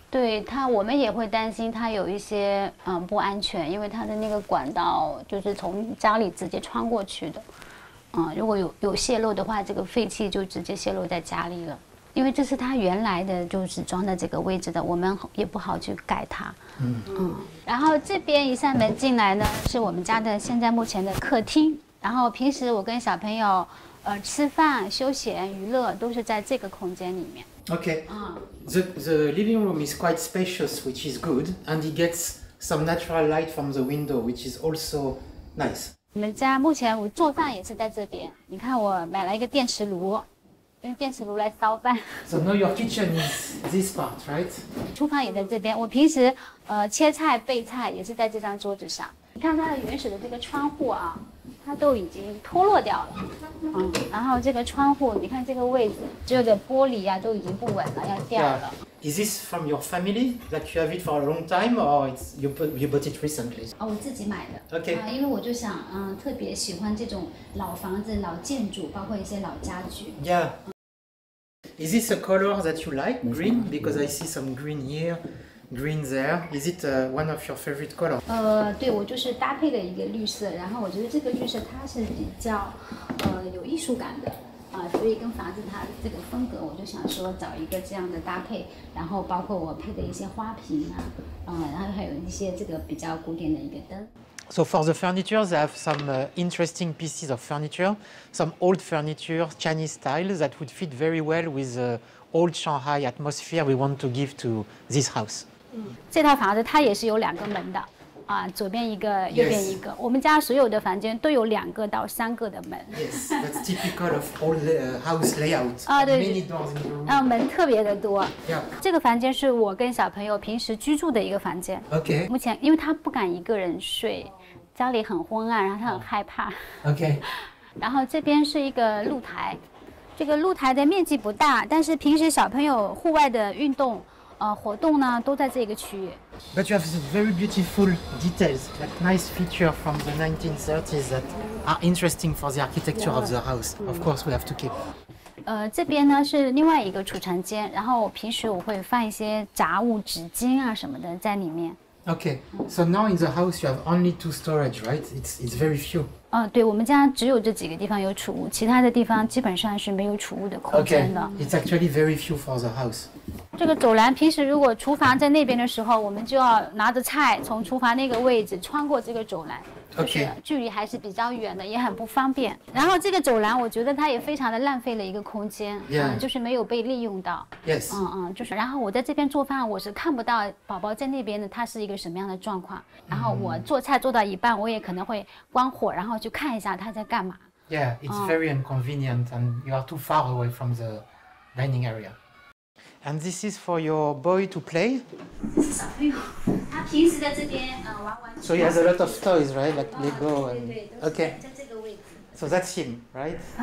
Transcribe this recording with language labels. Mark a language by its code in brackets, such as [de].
[zh] 对它，我们也会担心它有一些不安全，因为它的那个管道就是从家里直接穿过去的。如果有泄漏的话，这个废气就直接泄漏在家里了。因为这是它原来的，就是装在这个位置的，我们也不好去改它。然后这边一扇门进来呢，是我们家的现在目前的客厅。然后平时我跟小朋友，吃饭、休闲、娱乐都是在这个空间里面。 [en] Okay. The living room is quite spacious, which is good, and it gets some natural light from the window, which is also nice. [zh] 我们家目前我做饭也是在这边。你看，我买了一个电磁炉。用电磁炉来烧饭。 [en] So now your kitchen is this part, right? [zh] 厨房也在这边。我平时切菜备菜也是在这张桌子上。你看它的原始的这个窗户啊，它都已经脱落掉了。然后这个窗户，你看这个位置，这个玻璃啊都已经不稳了，要掉了。 [en] Yeah. Is this from your family? Like you have it for a long time, or it's you bought it recently? [zh] 我自己买的。 [en] Okay. [zh] 因为我就想，特别喜欢这种老房子、老建筑，包括一些老家具。 [en] Yeah. Is this a color that you like, green? Because I see some green here, green there. Is it one of your favorite colors? [zh] 对，我就是搭配了一个绿色，然后我觉得这个绿色它是比较，有艺术感的，所以跟房子它这个风格，我就想说找一个这样的搭配，然后包括我配的一些花瓶啊，然后还有一些这个比较古典的一个灯。 [en] So for the furniture, they have some interesting pieces of furniture, some old furniture, Chinese style, that would fit very well with the old Shanghai atmosphere we want to give to this house. [zh] 这套房子它也是有两个门的，啊，左边一个，右边一个。我们家所有的房间都有两个到三个的门。 [en] Yes, that's typical of old house layout. [zh] 啊，对。 [en] Many doors in the room. [zh] 啊，门特别的多。 [en] Yeah. [zh] 这个房间是我跟小朋友平时居住的一个房间。 [en] Okay. [zh] 目前，因为他不敢一个人睡，家里很昏暗，然后他很害怕。 [en] Okay. [zh] 然后这边是一个露台，这个露台的面积不大，但是平时小朋友户外的运动。活动呢都在这个区域。 [en] But you have some very beautiful details, that nice feature from the 1930s that are interesting for the architecture of the house. Of course, we have to keep. [zh] 这边呢是另外一个储藏间，然后平时我会放一些杂物、纸巾啊什么的在里面。 [en] Okay, so now in the house you have only two storage, right? It's very few. [zh] 对，我们家只有这几个地方有储物，其他的地方基本上是没有储物的空间的。 [en] Okay, it's actually very few for the house. [zh] 这个走廊平时如果厨房在那边的时候，我们就要拿着菜从厨房那个位置穿过这个走廊。 [en] Okay. [zh] 距离还是比较远的，也很不方便。然后这个走廊，我觉得它也非常的浪费了一个空间， [en] yeah. [zh] 就是没有被利用到。 [en] Yes. [zh] 就是。然后我在这边做饭，我是看不到宝宝在那边的，他是一个什么样的状况。然后我做菜做到一半，我也可能会关火，然后去看一下他在干嘛。 [en] Yeah, it's very inconvenient, and you are too far away from the dining area. And this is for your boy to play. [zh] 平时在这边玩玩。 [en] So he has a lot of toys, right? Like Lego and. [zh] 对对对 [en] okay. [zh] 在这个位置。 [en] So that's him, right?